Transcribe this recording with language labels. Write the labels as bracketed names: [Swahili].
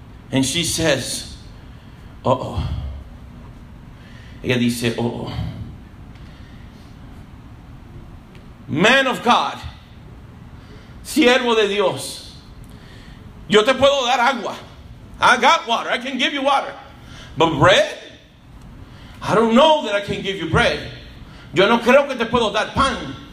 [English] And she says, uh-oh. [Spanish] Ella dice, [English] uh-oh. Man of God, [Spanish] siervo de Dios, yo te puedo dar agua. [English] I got water. I can give you water. But bread? I don't know that I can give you bread. [Spanish] Yo no creo que te puedo dar pan.